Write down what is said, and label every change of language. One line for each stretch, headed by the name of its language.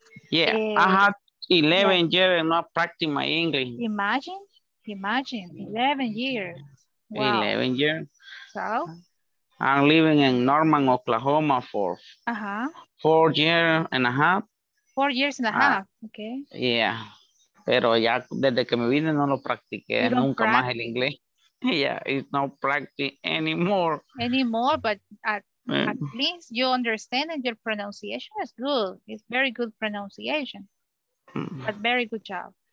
English: Yeah, I had 11 years and not practicing my English. Imagine, 11 years. Wow. 11 years. So? I'm living in Norman, Oklahoma for 4 years and a half. 4 years and a half, okay. Yeah.
Spanish: Pero ya desde que me vine no lo practiqué nunca más el inglés.
English: Yeah, it's no practice anymore. Anymore, but at least you understand and your pronunciation is good. It's very good pronunciation. But very good job.